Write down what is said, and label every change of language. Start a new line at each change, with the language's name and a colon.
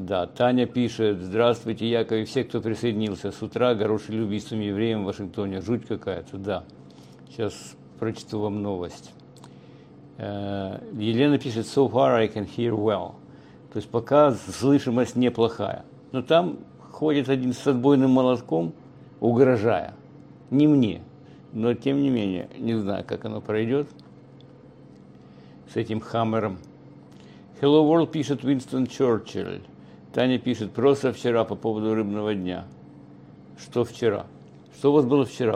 Russian: Да, Таня пишет «Здравствуйте, Яков, и все, кто присоединился с утра, горошили убийством евреям в Вашингтоне». Жуть какая-то, да. Сейчас прочту вам новость. Елена пишет
English: «So far I can hear well».
Russian: То есть пока слышимость неплохая. Но там ходит один с отбойным молотком, угрожая. Не мне, но тем не менее, не знаю, как оно пройдет с этим хаммером. Hello World пишет Уинстон Черчилль. Таня пишет просто вчера по поводу рыбного дня. Что вчера? Что у вас было вчера?